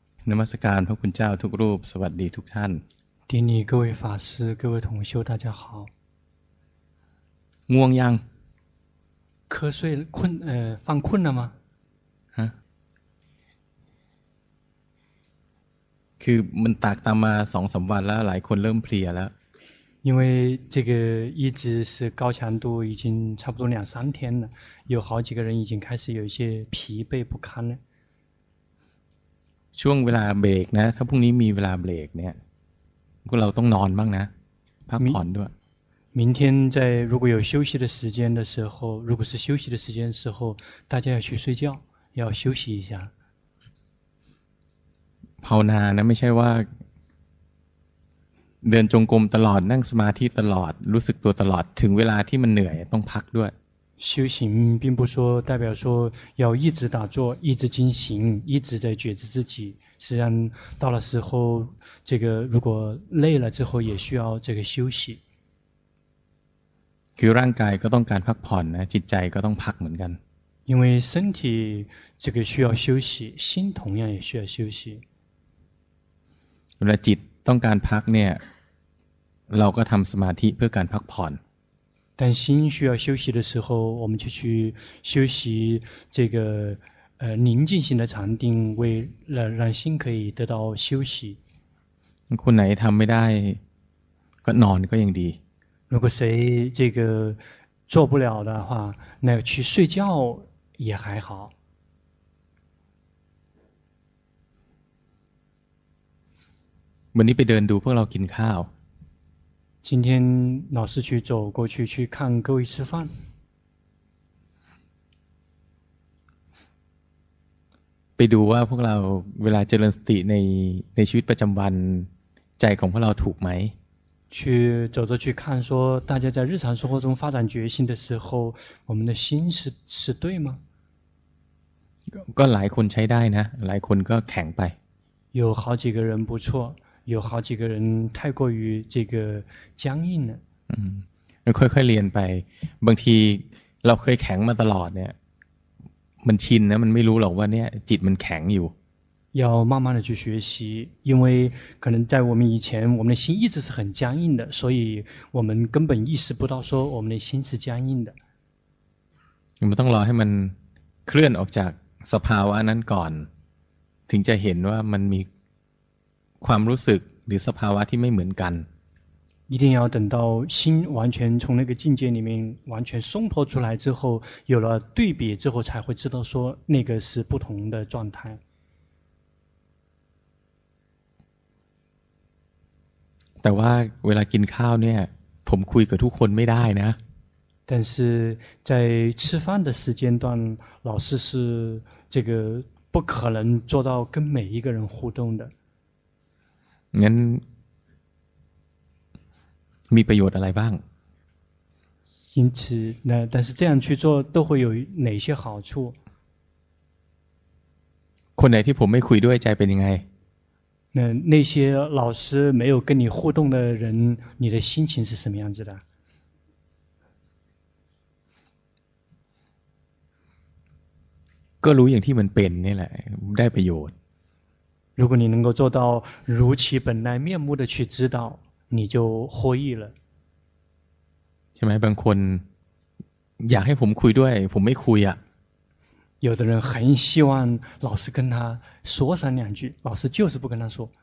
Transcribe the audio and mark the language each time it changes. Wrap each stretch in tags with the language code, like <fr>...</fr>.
<th>นมัสการพระคุณเจ้าทุกรูปสวัสดีทุกท่าน ทีนี้</th> <zh>各位法师各位同修大家好</zh> <th>ง่วงยัง</th> <zh>瞌睡困犯困了吗</zh> <th>คือมันตากตามมา 2-3 วันแล้วหลายคนเริ่มเพลียแล้ว</th> <zh>因为这个一直是高强度已经差不多两三天了有好几个人已经开始有一些疲惫不堪了</zh> <th>ช่วงเวลาเบรกนะถ้าพรุ่งนี้มีเวลาเบรกเนี่ยพวกเราต้องนอนบ้างนะพักผ่อนด้วย</th> <zh>明天在如果有休息的时间的时候如果是休息的时间的时候大家要去睡觉要休息一下</zh> <th>ภาวนานะไม่ใช่ว่าเดินจงกรมตลอดนั่งสมาธิตลอดรู้สึกตัวตลอดถึงเวลาที่มันเหนื่อยต้องพักด้วย</th> <zh>修行并不说代表说要一直打坐一直精行一直在觉知自己实际上到了时候这个如果累了之后也需要这个休息</zh> <th>คือร่างกายก็ต้องการพักผ่อนนะจิตใจก็ต้องพักเหมือนกัน</th> <zh>因为身体这个需要休息心同样也需要休息</zh> <th>เวลาจิตต้องการพักเนี่ยเราก็ทำสมาธิเพื่อการพักผ่อน</th> <zh>但心需要休息的时候我们就去休息这个宁静性的禅定为了让心可以得到休息</zh> <th>คุณไหนทำไม่ได้ก็นอนก็ยังดี</th> <zh>如果谁这个做不了的话那去睡觉也还好</zh> <th>วันนี้ไปเดินดูพวกเรากินข้าว</th> <zh>今天老师去走过去去看各位吃饭</zh> <th>ไปดูว่าพวกเราเวลาเจริญสติในชีวิตประจำวันใจของพวกเราถูกไหม</th> <zh>去走着去看说大家在日常生活中发展决心的时候我们的心是对吗</zh> <th>ก็หลายคนใช้ได้นะหลายคนก็แข็งไป</th> <zh>有好几个人不错有好几个人太过于这个僵硬了</zh> <th>嗯ค่อยๆเรียนไปบางทีเราเคยแข็งมาตลอดเนี่ยมันชินนะมันไม่รู้หรอกว่าเนี่ยจิตมันแข็งอยู่</th> <zh>要慢慢的去学习因为可能在我们以前我们的心一直是很僵硬的所以我们根本意识不到说我们的心是僵硬的</zh> <th>มันต้องรอให้มันเคลื่อนออกจากสภาวะนั้นก่อนถึงจะเห็นว่ามันมีความรู้สึกหรือสภาวะที่ไม่เหมือนกัน</th> <zh>一定要等到心完全从那个境界里面完全松脱出来之后有了对比之后才会知道说那个是不同的状态</zh> <th>แต่ว่าเวลากินข้าวเนี่ยผมคุยกับทุกคนไม่ได้นะ</th> <zh>但是在吃饭的时间段老师是这个不可能做到跟每一个人互动的</zh> <th>งั้นมีประโยชน์อะไรบ้าง</th> <zh>因此那但是这样去做都会有哪些好处</zh> <th>คนไหนที่ผมไม่คุยด้วยใจเป็นยังไง</th> <zh>那些老师没有跟你互动的人你的心情是什么样子的</zh> <th>ก็รู้อย่างที่มันเป็นนี่แหละได้ประโยชน์</th> <zh>如果你能够做到如其本来面目的去知道你就获益了</zh> <th>ใช่ไหมบางคนอยากให้ผมคุยด้วยผมไม่คุยอ่ะ</th> <zh>有的人很希望老师跟他说上两句老师就是不跟他说</zh>